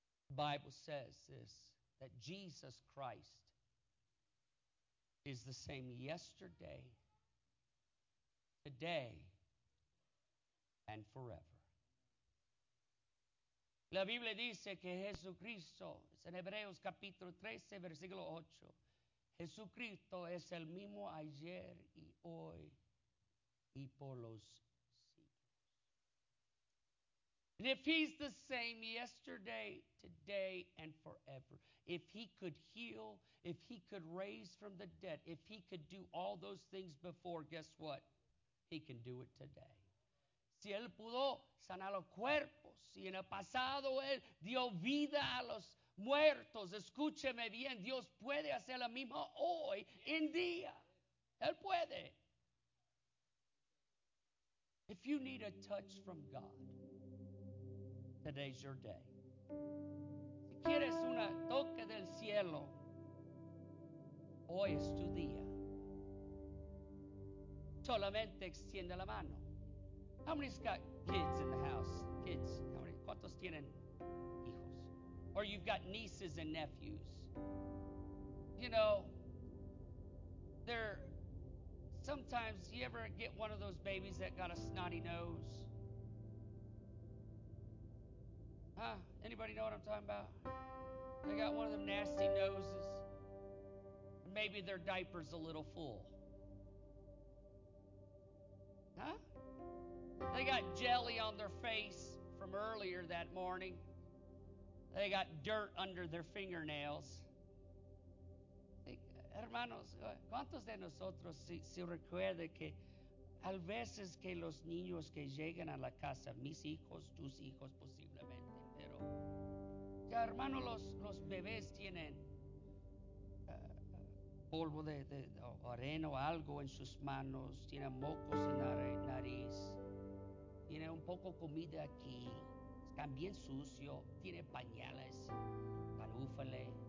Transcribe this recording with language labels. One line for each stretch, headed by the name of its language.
English: The Bible says this, that Jesus Christ is the same yesterday, today, and forever.
Spanish: La Biblia dice que Jesucristo, es en Hebreos capítulo 13, versículo 8, Jesucristo es el mismo ayer y hoy y por los siglos.
English: And if he's the same yesterday, today, and forever, if he could heal, if he could raise from the dead, if he could do all those things before, guess what? He can do it today.
Spanish: Si él pudo sanar los cuerpos, si en el pasado él dio vida a los muertos, escúcheme bien, Dios puede hacer lo mismo hoy en día. Él puede.
English: If you need a touch from God, today's your day.
Spanish: Si quieres un toque del cielo, hoy es tu día. Solamente extiende la mano.
English: How many's got kids in the house? Kids, how many?
Spanish: ¿Cuántos tienen hijos?
English: Or you've got nieces and nephews. You know, they're sometimes, you ever get one of those babies that got a snotty nose? Huh? Anybody know what I'm talking about? They got one of them nasty noses. Maybe their diaper's a little full. Huh? They got jelly on their face from earlier that morning. They got dirt under their fingernails.
Spanish: Hermanos, ¿cuántos de nosotros se recuerda que a veces que los niños que llegan a la casa, mis hijos, tus hijos posiblemente, pero ya hermano, los bebés tienen polvo de arena o algo en sus manos, tiene mocos en la nariz, tiene un poco comida aquí, está bien sucio, tiene pañales, canúfale.